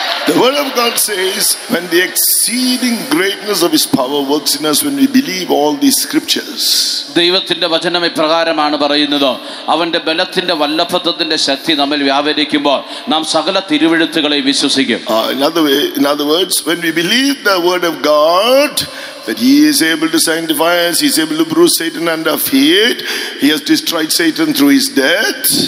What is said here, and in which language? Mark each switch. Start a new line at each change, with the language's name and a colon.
English: The word of God says when the exceeding greatness of his power works in us when we believe all these scriptures.
Malayalam: ദൈവത്തിന്റെ വചനം ഇപ്രകാരമാണ് പറയുന്നത്, അവന്റെ ബലത്തിന്റെ വല്ലഭത്വത്തിന്റെ ശക്തി നമ്മിൽ വ്യാപരിക്കുമ്പോൾ നാം സകല തിരുവെഴുത്തുകളെയും വിശ്വസിക്കും.
English: In other words, when we believe the word of God that he is able to sanctify us, he is able to bruise Satan under our feet, he has destroyed Satan through his death.